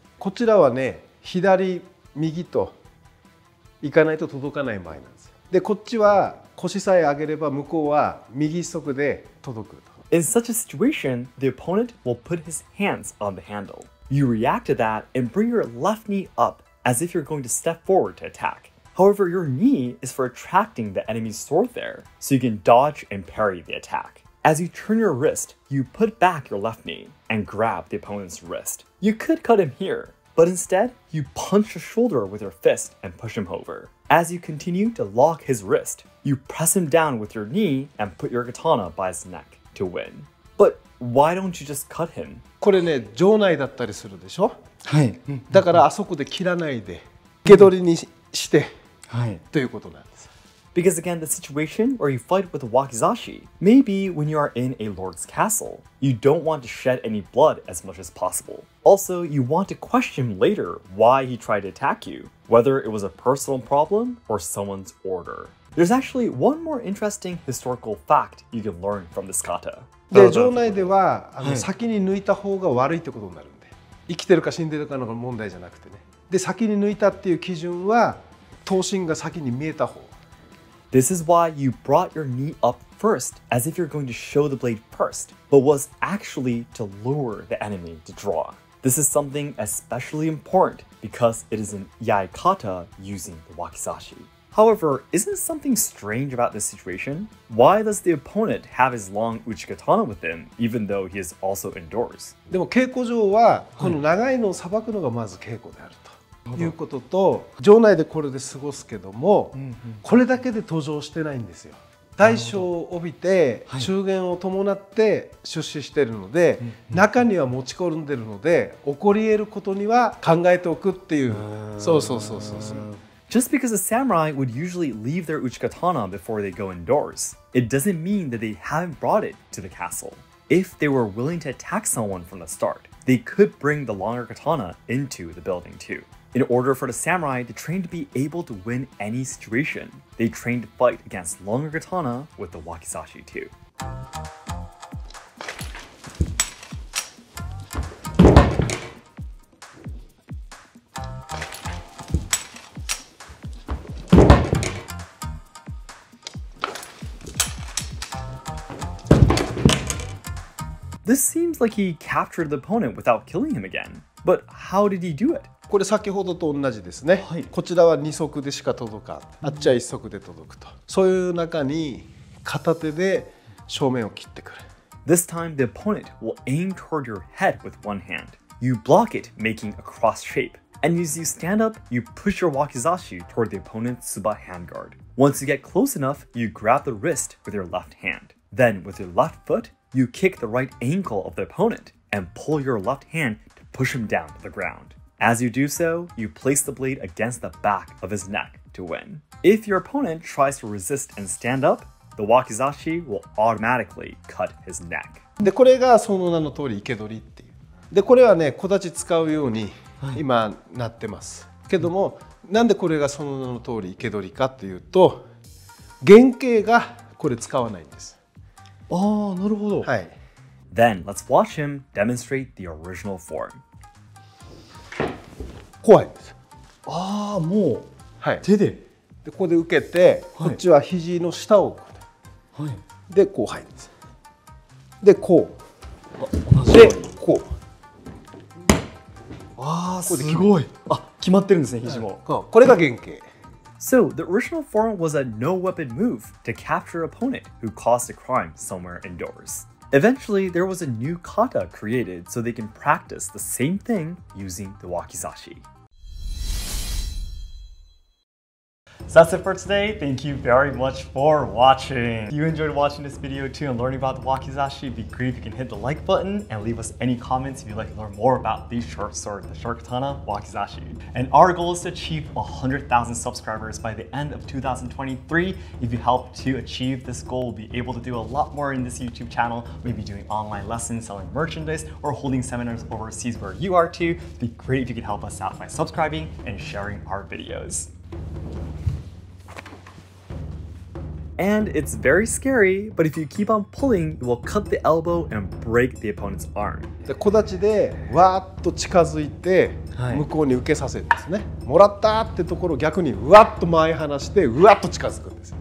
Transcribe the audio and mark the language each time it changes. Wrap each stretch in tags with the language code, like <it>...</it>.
<ja>こちらはね、左右と行かないと届かない場合なんですよ。で、こっちは腰さえ上げれば向こうは右側で届く。</ja> <en>In such a situation, the opponent will put his hands on the handle. You react to that and bring your left knee up as if you're going to step forward to attack. However, your knee is for attracting the enemy's sword there, so you can dodge and parry the attack. As you turn your wrist, you put back your left knee and grab the opponent's wrist. You could cut him here, But instead, you punch his shoulder with your fist and push him over. As you continue to lock his wrist, you press him down with your knee and put your katana by his neck to win. But why don't you just cut him?</en> <ja>これね、場内だったりするでしょ? はい。だからあそこで切らないで、受け取りにして、はい。ということなんです。</ja> <en>Because again, the situation where you fight with a wakizashi may be when you are in a lord's castle. You don't want to shed any blood as much as possible. Also, you want to question later why he tried to attack you, whether it was a personal problem or someone's order. There's actually one more interesting historical fact you can learn from this kata.</en> <ja>で、場内では、はい、先に抜いた方が悪いってことになるんで、生きてるか死んでるかの問題じゃなくてね。で、先に抜いたっていう基準は、刀身が先に見えた方。</ja> <en>This is why you brought your knee up first, as if you're going to show the blade first, but was actually to lure the enemy to draw. This is something especially important because it is an yai kata using the wakizashi. However, isn't something strange about this situation? Why does the opponent have his long uchikatana with him, even though he is also indoors?</en> <ja>でも稽古場はこの長いのをさばくのがまず稽古であると。いうことと場内でこれで過ごすけども、うんうん、これだけで登場してないんですよ大小を帯びて中弦を伴って出資しているので、はい、中には持ち込んでるので起こり得ることには考えておくっていう、そう</ja> <en>Just because a samurai would usually leave their uchikatana before they go indoors it doesn't mean that they haven't brought it to the castle if they were willing to attack someone from the start they could bring the longer katana into the building tooIn order for the samurai to train to be able to win any situation, they train to fight against longer katana with the wakizashi too. This seems like he captured the opponent without killing him again, but how did he do it?</en> <ja>これ先ほどと同じですね、はい、こちらは2足でしか届かあっちは1足で届くとそういう中に片手で正面を切ってくる</ja> <en>This time the opponent will aim toward your head with one hand You block it making a cross shape And as you stand up, you push your wakizashi toward the opponent's tsuba handguard Once you get close enough, you grab the wrist with your left hand Then with your left foot, you kick the right ankle of the opponent And pull your left hand to push him down to the groundAs you do so, you place the blade against the back of his neck to win. If your opponent tries to resist and stand up, the wakizashi will automatically cut his neck.</en> <ja>で、これがその名の通り生け捕りっていう。で、これはね、小太刀使うように今なってます。けども、なんでこれがその名の通り生け捕りかというと、原型がこれ使わないんです。ああ、なるほど。はい。</ja> <en>Then, let's watch him demonstrate the original form.</en> <ja>怖いです。ああ、もう、はい、手 で, でここで受けて、はい、こっちは肘の下を、はい、でこう入るんです。でこう、あ同じでこう、ああすごい。あ決まってるんですね肘も、はい。これが原型。</ja> <en>So the original form was a no weapon move to capture opponent who caused a crime somewhere indoors. Eventually, there was a new kata created so they can practice the same thing using the wakizashi. That's it for today. Thank you very much for watching. If you enjoyed watching this video too and learning about the wakizashi, it'd be great if you can hit the like button and leave us any comments if you'd like to learn more about the short sword, the short katana, wakizashi. And our goal is to achieve 100,000 subscribers by the end of 2023. If you help to achieve this goal, we'll be able to do a lot more in this YouTube channel. We'll be doing online lessons, selling merchandise, or holding seminars overseas where you are too. It'd be great if you could help us out by subscribing and sharing our videos. And it's very scary, but if you keep on pulling, you will cut the elbow and break the opponent's arm.</en> <ja>で、小太刀でわーっと近づいて、はい、向こうに受けさせるんですね。もらったーってところを逆にわーっと前離して、わーっと近づくんです。</ja>